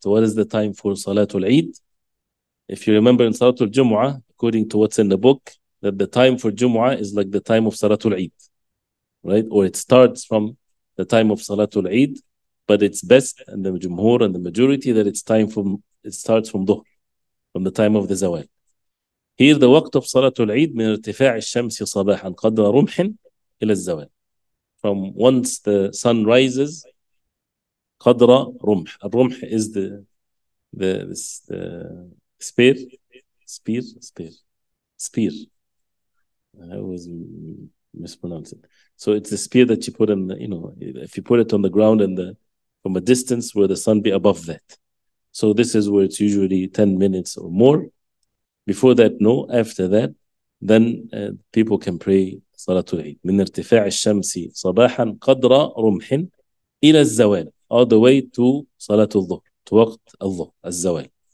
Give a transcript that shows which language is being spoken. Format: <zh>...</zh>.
<en>What is the time for Salatul Eid? If you remember in Salatul Jumu'ah, according to what's in the book, that the time for Jumu'ah is like the time of Salatul Eid, right? Or it starts from the time of Salatul Eid, but it's best, and the Jumhur and the majority, that it's time from, it starts from Dhuhr, from the time of the Zawal. Here, the waqt of Salatul Eid,</en> <ar>من ارتفاع الشمس صباحا قدر رمح إلى الزوال.</ar> <en>From once the sun rises,</en> <ar>قدر رمح.</ar> <en>الرمح is the spear. I always mispronounce it. So it's the spear that you put in, you know, if you put it on the ground and the from a distance where the sun be above that. So this is where it's usually 10 minutes or more. Before that, no. After that, then people can pray Salatul Eid.</en> <ar>من ارتفاع الشمس صباحا قدر رمح إلى الزوال.</ar> <en>All the way to Salatul Dhuhr, to</en> <ar>وقت الظهر, الزوال.</ar>